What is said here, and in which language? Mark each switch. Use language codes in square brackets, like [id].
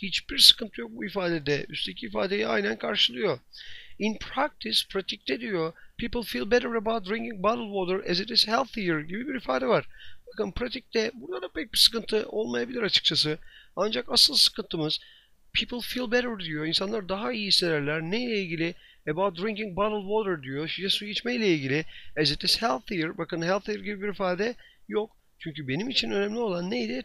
[tr] Hiçbir sıkıntı yok bu ifadede. Üstteki ifadeyi aynen karşılıyor. [en] In practice, [tr] pratikte diyor, [en] people feel better about drinking bottled water as it is healthier [tr] gibi bir ifade var. Bakın pratikte burada da pek bir sıkıntı olmayabilir açıkçası. Ancak asıl sıkıntımız [en] people feel better [tr] diyor. İnsanlar daha iyi hissederler. Neyle ilgili? [en] About drinking bottled water [tr] diyor. Şişe suyu içmeyle ilgili. [en] As it is healthier. [tr] Bakın healthier gibi bir ifade yok. Çünkü benim için önemli olan neydi?